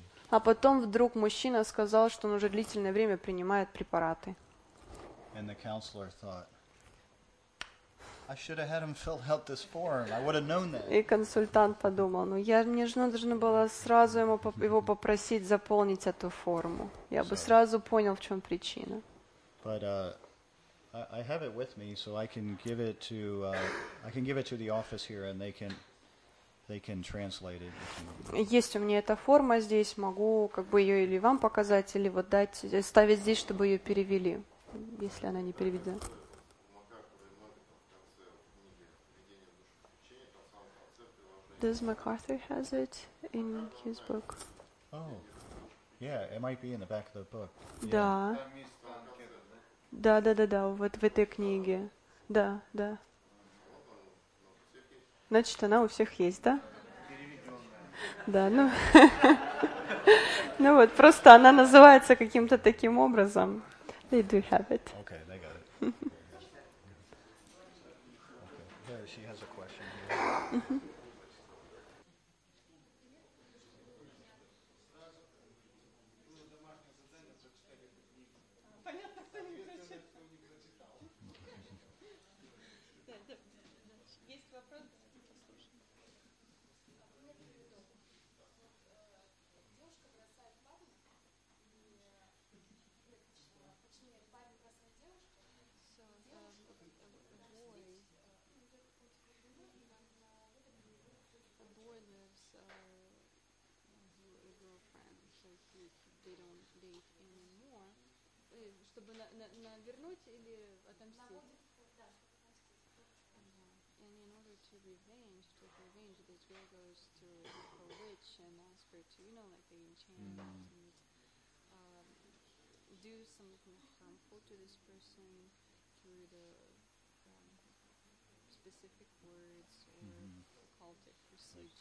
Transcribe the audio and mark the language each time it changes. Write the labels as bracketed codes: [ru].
[ru] А потом вдруг мужчина сказал, что он уже длительное время принимает препараты. [en] And the counselor thought, I should have had him fill out this form. I would have known that. [ru] И консультант подумал, ну я мне же нужно было сразу его попросить заполнить эту форму. Я бы сразу понял, в чем причина. [en] But I have it with me, so I can give it to the office here, and they can translate it. [ru] Есть у меня эта форма здесь, могу как бы ее или вам показать, или вот дать, ставить здесь, чтобы ее перевели, если она не переведена. [en] Does MacArthur has it in his book? Oh, yeah, it might be in the back of the book. [ru] Да. Да, да, да, да, вот в этой книге. Да, да. Значит, она у всех есть, да? Да, ну... Ну вот, просто она называется каким-то таким образом. [en] They do have it. Okay, they got it. Okay, there she has a question here. [ru] На вернуть или отомстить? [en] And in order to revenge, this girl goes to a witch and ask her to, you know, like they enchant and do something harmful to this person through the specific words or occultic procedures.